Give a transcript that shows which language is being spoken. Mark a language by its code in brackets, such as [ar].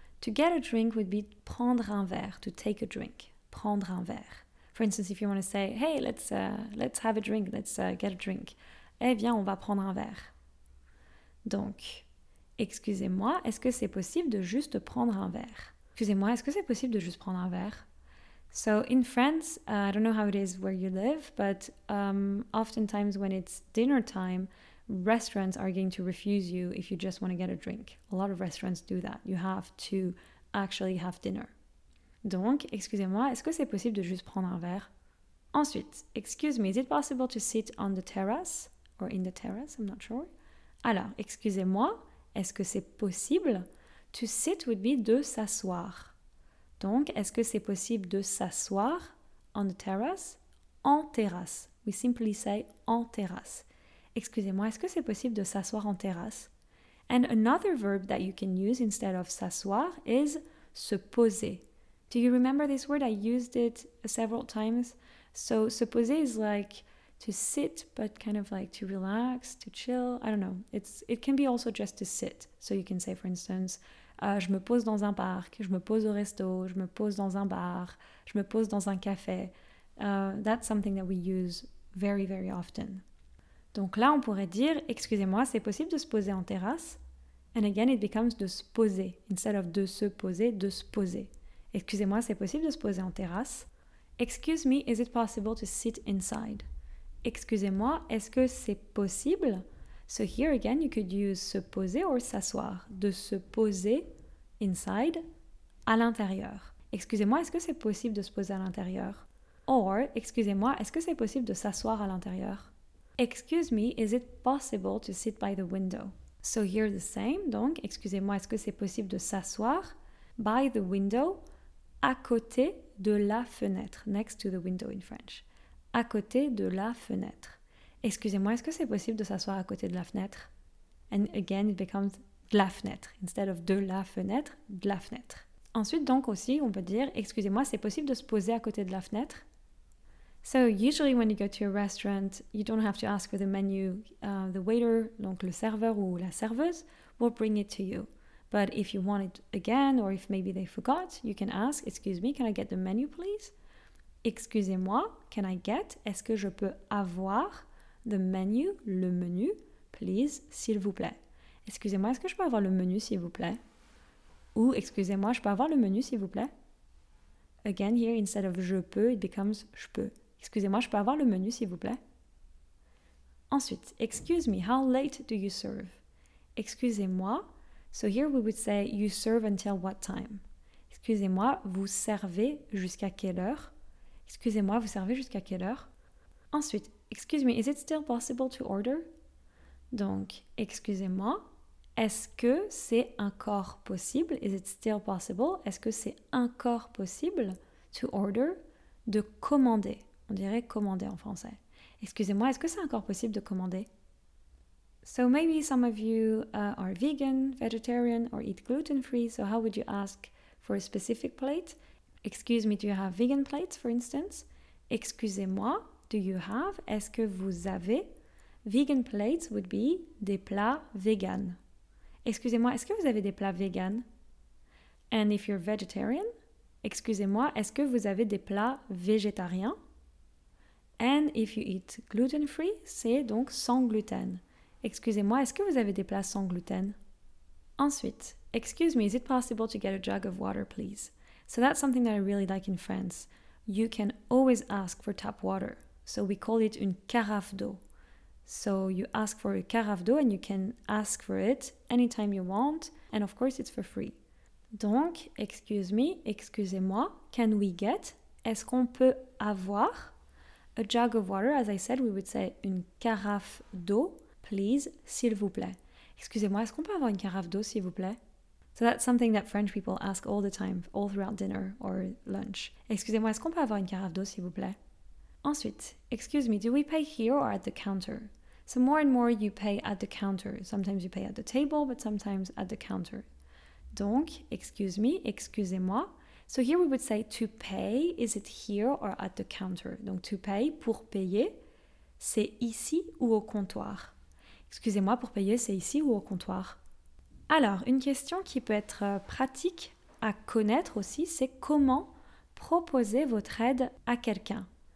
[en] To get a drink would be [fr] prendre un verre, [en] to take a drink, prendre un verre. For instance, if you want to say, hey, let's have a drink, get a drink. [fr] Eh bien, on va prendre un verre. Donc, excusez-moi, est-ce que c'est possible de juste prendre un verre? Excusez-moi, est-ce que c'est possible de juste prendre un verre? [en] So in France, I don't know how it is where you live, but oftentimes when it's dinner time, restaurants are going to refuse you if you just want to get a drink. A lot of restaurants do that. You have to actually have dinner. [fr] Donc, excusez-moi, est-ce que c'est possible de juste prendre un verre? Ensuite, [en] excuse me, is it possible to sit on the terrace? Or in the terrace, I'm not sure. [fr] Alors, excusez-moi, est-ce que c'est possible? [en] To sit would be [fr] de s'asseoir. Donc, est-ce que c'est possible de s'asseoir [en] on the terrace? [fr] En terrasse. [en] We simply say [fr] en terrasse. Excusez-moi, est-ce que c'est possible de s'asseoir en terrasse? [en] And another verb that you can use instead of s'asseoir is se poser. Do you remember this word? I used it several times. So, se poser is like to sit, but kind of like to relax, to chill. I don't know. It can be also just to sit. So, you can say, for instance, [fr] je me pose dans un parc, je me pose au resto, je me pose dans un bar, je me pose dans un café. [en] That's something that we use very, very often. [fr] Donc là, on pourrait dire, excusez-moi, c'est possible de se poser en terrasse? [en] And again, it becomes [fr] de se poser, [en] instead of de se poser, de se poser. [fr] Excusez-moi, c'est possible de se poser en terrasse? [en] Excuse me, is it possible to sit inside? [fr] Excusez-moi, est-ce que c'est possible? [en] So here again, you could use se poser or s'asseoir. [fr] De se poser [en] inside, [fr] à l'intérieur. Excusez-moi, est-ce que c'est possible de se poser à l'intérieur? Or, excusez-moi, est-ce que c'est possible de s'asseoir à l'intérieur? [en] Excuse me, is it possible to sit by the window? So here the same, [fr] donc, excusez-moi, est-ce que c'est possible de s'asseoir [en] by the window, [fr] à côté de la fenêtre, [en] next to the window in French. [fr] À côté de la fenêtre. Excusez-moi, est-ce que c'est possible de s'asseoir à côté de la fenêtre? [en] And again, it becomes [fr] de la fenêtre. [en] Instead of [fr] de la fenêtre, de la fenêtre. Ensuite, donc aussi, on peut dire, excusez-moi, c'est possible de se poser à côté de la fenêtre? [en] So usually when you go to a restaurant, you don't have to ask for the menu. The waiter, [fr] donc le serveur ou la serveuse, [en] will bring it to you. But if you want it again, or if maybe they forgot, you can ask, excuse me, can I get the menu please? [fr] Excusez-moi, [en] can I get, [fr] est-ce que je peux avoir [en] the menu, [fr] le menu, [en] please, [fr] s'il vous plaît. Excusez-moi, est-ce que je peux avoir le menu, s'il vous plaît? Ou, excusez-moi, je peux avoir le menu, s'il vous plaît? [en] Again, here, instead of [fr] je peux, [en] it becomes je peux. [fr] Excusez-moi, je peux avoir le menu, s'il vous plaît? [en] Ensuite, excuse me, how late do you serve? Excusez-moi, so here we would say you serve until what time? [fr] Excusez-moi, vous servez jusqu'à quelle heure? Excusez-moi, vous servez jusqu'à quelle heure? [en] Ensuite, excuse me, is it still possible to order? [fr] Donc, excusez-moi, est-ce que c'est encore possible? [en] Is it still possible? [fr] Est-ce que c'est encore possible [en] to order, [fr] de commander? On dirait commander en français. Excusez-moi, est-ce que c'est encore possible de commander? [en] So maybe some of you are vegan, vegetarian, or eat gluten-free, so how would you ask for a specific plate? Excuse me, do you have vegan plates, for instance? Excusez-moi, do you have? [fr] Est-ce que vous avez? [en] Vegan plates would be [fr] des plats vegan. Excusez-moi, est-ce que vous avez des plats vegan? [en] And if you're vegetarian, [fr] excusez-moi, est-ce que vous avez des plats végétariens? [en] And if you eat gluten-free, [fr] c'est donc sans gluten. Excusez-moi, est-ce que vous avez des plats sans gluten? [en] Ensuite, excuse me, is it possible to get a jug of water, please? So that's something that I really like in France. You can always ask for tap water. So we call it [fr] une carafe d'eau. [en] So you ask for a carafe d'eau and you can ask for it anytime you want. And of course, it's for free. Donc, excuse me, excusez-moi, can we get, [fr] est-ce qu'on peut avoir, [en] a jug of water, as I said, we would say [fr] une carafe d'eau, [en] please, [fr] s'il vous plaît. Excusez-moi, est-ce qu'on peut avoir une carafe d'eau, s'il vous plaît? [en] So that's something that French people ask all the time, all throughout dinner or lunch. [fr] Excusez-moi, est-ce qu'on peut avoir une carafe d'eau, s'il vous plaît? [en] Ensuite, excuse me, do we pay here or at the counter? So more and more you pay at the counter. Sometimes you pay at the table, but sometimes at the counter. Donc, excuse me, excusez-moi. So here we would say to pay, is it here or at the counter? [fr] Donc [en] to pay, [fr] pour payer, c'est ici ou au comptoir? Excusez-moi, pour payer, c'est ici ou au comptoir? Alors, une question qui peut être pratique à connaître aussi, c'est comment proposer votre aide à quelqu'un?